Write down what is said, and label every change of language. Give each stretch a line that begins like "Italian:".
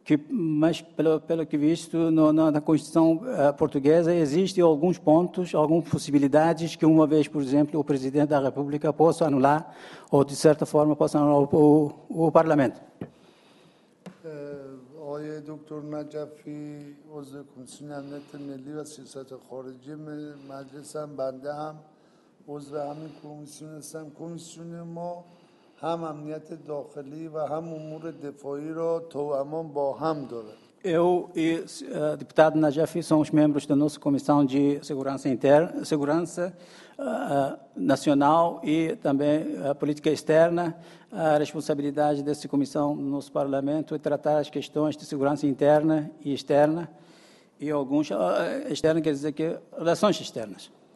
Portuguese: Mas, pelo que visto, na Constituição portuguesa existem alguns pontos, algumas possibilidades que, uma vez, por exemplo, o presidente da República possa anular ou, de certa forma, possa anular o Parlamento.
Persian: آقای دکتر نجفی عضو کمیسیون امنیت ملی و سیاست خارجی مجلس هم، بنده هم عضو همین کمیسیون هستم. کمیسیون ما هم امنیت داخلی و هم امور دفاعی را توأمان با هم داره.
Portuguese: Eu e deputado Najafi somos membros da nossa Comissão de Segurança Interna, Segurança Nacional e também Política Externa. A responsabilidade dessa comissão no nosso Parlamento é tratar as questões de segurança interna e externa, e alguns externos quer dizer que relações externas.